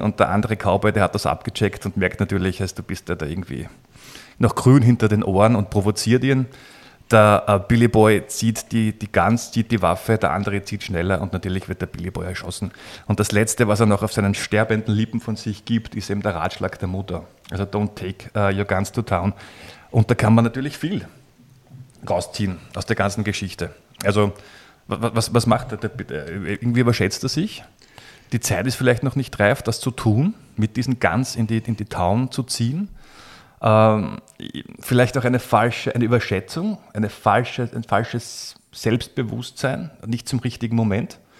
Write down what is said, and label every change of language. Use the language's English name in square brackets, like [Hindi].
[German] Und der andere Cowboy, der hat das abgecheckt und merkt natürlich, heißt, du bist ja da irgendwie noch grün hinter den Ohren und provoziert ihn. Der Billy Boy zieht die Guns, zieht die Waffe, der andere zieht schneller und natürlich wird der Billy Boy erschossen. Und das Letzte, was er noch auf seinen sterbenden Lippen von sich gibt, ist eben der Ratschlag der Mutter. [English] Also don't take your guns to town. [German] Und da kann man natürlich viel rausziehen aus der ganzen Geschichte. Also was macht er? Irgendwie überschätzt er sich. Die Zeit ist vielleicht noch nicht reif, das zu tun, mit diesen Guns in die Town zu ziehen. Vielleicht auch eine falsche Überschätzung, ein falsches Selbstbewusstsein, nicht zum richtigen Moment.